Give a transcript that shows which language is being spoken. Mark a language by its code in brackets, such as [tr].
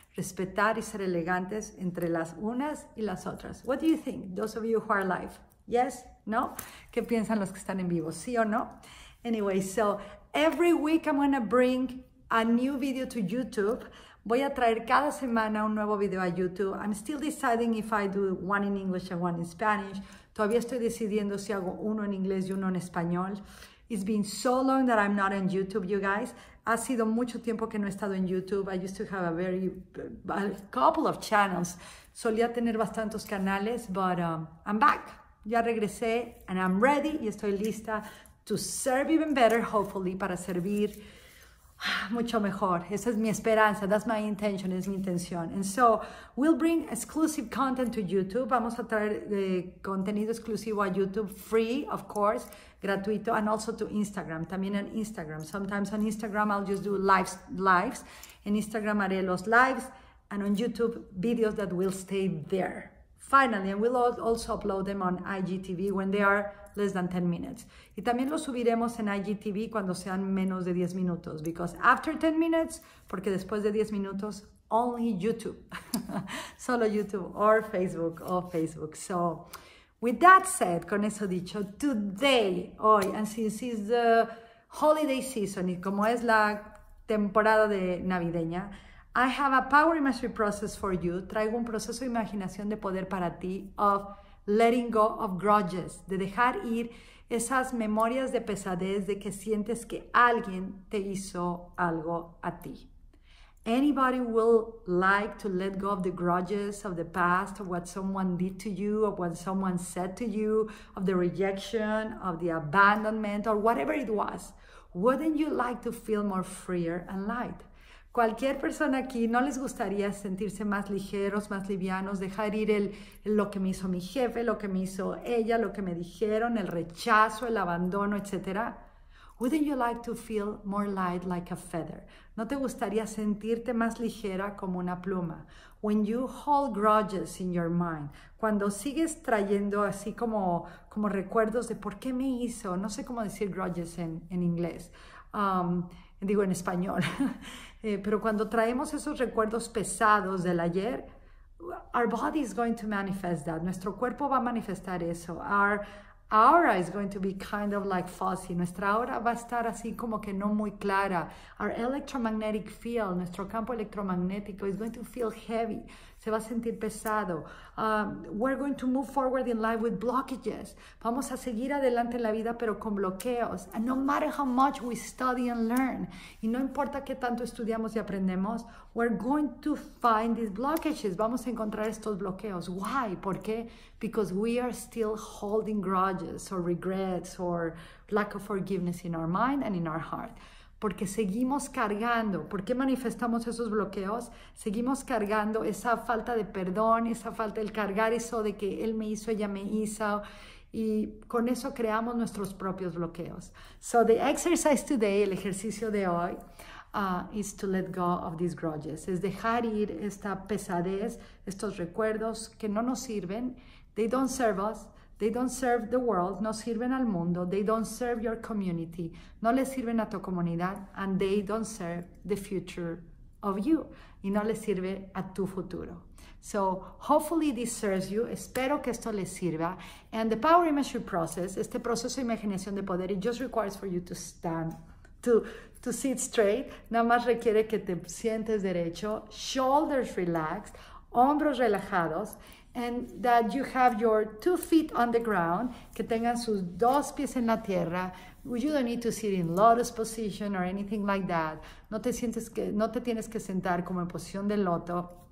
[es] Respetar y ser elegantes entre las unas y las otras. [en] What do you think, those of you who are live? Yes, no? [es] ¿Qué piensan los que están en vivo? ¿Sí o no? [en] Anyway, so every week I'm going to bring a new video to YouTube. [es] Voy a traer cada semana un nuevo video a YouTube. [en] I'm still deciding if I do one in English and one in Spanish. [es] Todavía estoy decidiendo si hago uno en inglés y uno en español. [en] It's been so long that I'm not on YouTube, you guys. [es] Ha sido mucho tiempo que no he estado en YouTube. [en] I used to have a couple of channels. [es] Solía tener bastantes canales, [en] but I'm back. [es] Ya regresé, [en] and I'm ready, [es] y estoy lista [en] to serve even better, hopefully, [es] para servir mucho mejor. Esa es mi esperanza. [en] That's my intention. [es] Es mi intención. [en] And so, we'll bring exclusive content to YouTube. [es] Vamos a traer contenido exclusivo a YouTube, [en] free, of course, gratuito, and also to Instagram. [es] También en Instagram. [en] Sometimes on Instagram, I'll just do lives. [es] En Instagram haré los lives, [en] and on YouTube, videos that will stay there. Finally, and we'll also upload them on IGTV when they are less than 10 minutes. Y también los subiremos en IGTV cuando sean menos de 10 minutos. Because after 10 minutes, [es] porque después de 10 minutos, [en] only YouTube. [es] Solo YouTube [en] or Facebook. So, with that said, [es] con eso dicho, [en] today, [es] hoy, [en] and since it's the holiday season, [es] y como es la temporada de navideña, [en] I have a power imagery process for you. [es] Traigo un proceso de imaginación de poder para ti [en] of letting go of grudges, [es] de dejar ir esas memorias de pesadez de que sientes que alguien te hizo algo a ti. [en] Anybody will like to let go of the grudges of the past, of what someone did to you, of what someone said to you, of the rejection, of the abandonment, or whatever it was. Wouldn't you like to feel more freer and light? [es] Cualquier persona aquí no les gustaría sentirse más ligeros, más livianos, dejar ir el lo que me hizo mi jefe, lo que me hizo ella, lo que me dijeron, el rechazo, el abandono, etc. [en] Wouldn't you like to feel more light like a feather? [es] ¿No te gustaría sentirte más ligera como una pluma? [en] When you hold grudges in your mind, [es] cuando sigues trayendo así como recuerdos de por qué me hizo, no sé cómo decir grudges en inglés, digo en español, pero cuando traemos esos recuerdos pesados del ayer, [en] our body is going to manifest that. [es] Nuestro cuerpo va a manifestar eso. [en] Our aura is going to be kind of like fuzzy. [es] Nuestra aura va a estar así como que no muy clara. [en] Our electromagnetic field, [es] nuestro campo electromagnético, [en] is going to feel heavy. [es] Se va a sentir pesado. [en] We're going to move forward in life with blockages. [es] Vamos a seguir adelante en la vida, pero con bloqueos. [en] And no matter how much we study and learn, [es] y no importa qué tanto estudiamos y aprendemos, [en] we're going to find these blockages. [es] Vamos a encontrar estos bloqueos. [en] Why? [es] ¿Por qué? [en] Because we are still holding grudges or regrets or lack of forgiveness in our mind and in our heart. [es] Porque seguimos cargando. ¿Por qué manifestamos esos bloqueos? Seguimos cargando esa falta de perdón, esa falta, el cargar eso de que él me hizo, ella me hizo. Y con eso creamos nuestros propios bloqueos. [en] So the exercise today, [es] el ejercicio de hoy, [en] is to let go of these grudges. [es] Es dejar ir esta pesadez, estos recuerdos que no nos sirven. [en] They don't serve us. They don't serve the world, [es] no sirven al mundo, [en] they don't serve your community, [es] no le sirven a tu comunidad, [en] and they don't serve the future of you, [es] y no le sirve a tu futuro. [en] So, hopefully this serves you, [es] espero que esto les sirva, [en] and the power imagery process, [es] este proceso de imaginación de poder, [en] it just requires for you to stand, to sit straight, [es] nada más requiere que te sientes derecho, [en] shoulders relaxed, [es] hombros relajados, [en] and that you have your 2 feet on the ground, [es] que tengan sus dos pies en la tierra. [en] You don't need to sit in lotus position or anything like that. [es] No te tienes que sentar como en posición de loto.